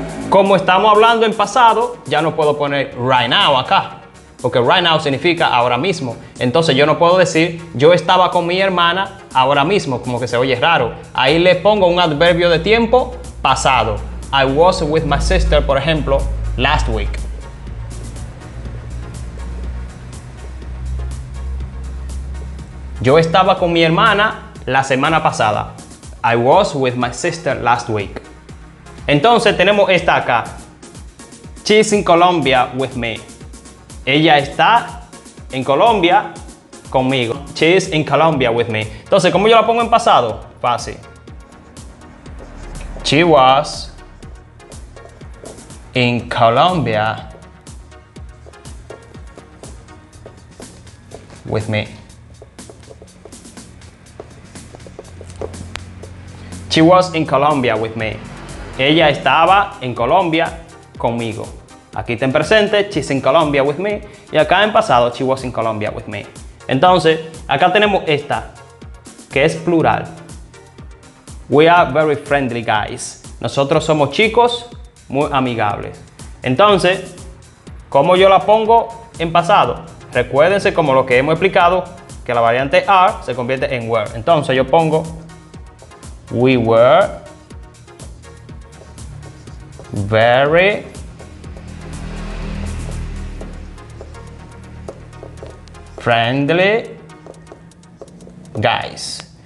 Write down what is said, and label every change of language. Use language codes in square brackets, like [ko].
[es] Como estamos hablando en pasado, ya no puedo poner [en] right now [es] acá, porque right now significa ahora mismo. Entonces yo no puedo decir yo estaba con mi hermana ahora mismo, como que se oye raro. Ahí le pongo un adverbio de tiempo pasado. [en] I was with my sister, [es] por ejemplo, [en] last week. [es] Yo estaba con mi hermana la semana pasada. [en] I was with my sister last week. [es] Entonces tenemos esta acá. [en] She's in Colombia with me. [es] Ella está en Colombia conmigo. [en] She's in Colombia with me. [es] Entonces, ¿cómo yo la pongo en pasado? Fácil. [en] She was in Colombia with me. She was in Colombia with me. [es] Ella estaba en Colombia conmigo. Aquí está en presente, [en] she's in Colombia with me. [es] Y acá en pasado, [en] she was in Colombia with me. [es] Entonces, acá tenemos esta, que es plural. [en] We are very friendly guys. [es] Nosotros somos chicos muy amigables. Entonces, ¿cómo yo la pongo en pasado? Recuérdense, como lo que hemos explicado, que la variante are se convierte en were. Entonces, yo pongo, [en] we were very friendly guys.